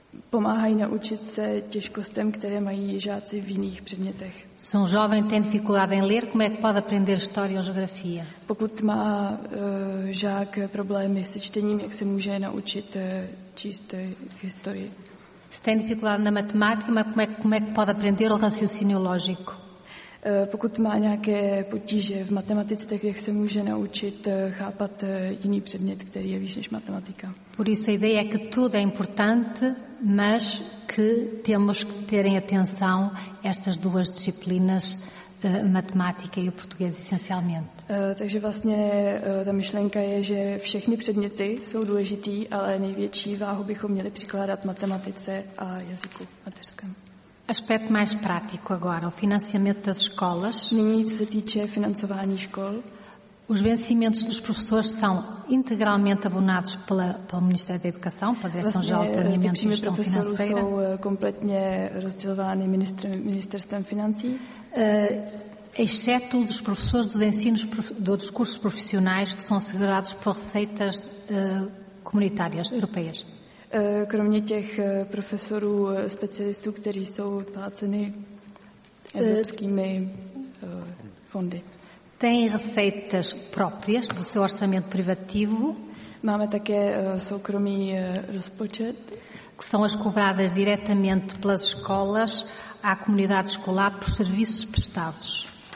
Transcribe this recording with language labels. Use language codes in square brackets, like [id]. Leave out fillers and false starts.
[cs] Pomáhají naučit se těžkostem, které mají žáci v jiných předmětech. [pt] Se um jovem tem dificuldade em ler, como é que pode aprender história ou geografia? [cs] Pokud má žák problémy se čtením, jak se může naučit číst historii? [pt] Se tem dificuldade na matemática, mas como é que pode aprender o raciocínio lógico? [cs] Pokud má nějaké potíže v matematice, tak jak se může naučit chápat jiný předmět, který je výš než matematika. [pt] Por isso a ideia é que tudo é importante, mas que temos que ter em atenção estas duas disciplinas, matemática e o português, essencialmente. [cs] Takže vlastně ta myšlenka je, že všechny předměty jsou důležitý, ale největší váhu bychom měli přikládat matematice a jazyku mateřskému. [pt] Aspecto mais prático agora, o financiamento das escolas. [cs] Nyní, co se týče financování škol. [pt] Os vencimentos dos professores são integralmente abonados pelo Ministério da Educação, pela Direção-Geral de Planeamento e Gestão Financeira. São completamente [cs] rozdělovány Ministerstvem Financí. [pt] Exceto dos professores dos ensinos, dos cursos profissionais que são assegurados por receitas comunitárias europeias. [cs] Kromě těch profesorů, specialistů, kteří jsou pláceni evropskými fondy. [pt] Tem receitas próprias do seu orçamento privativo. [cs] Máme také soukromý rozpočet. [pt] Que são as cobradas diretamente pelas escolas à comunidade escolar por serviços prestados.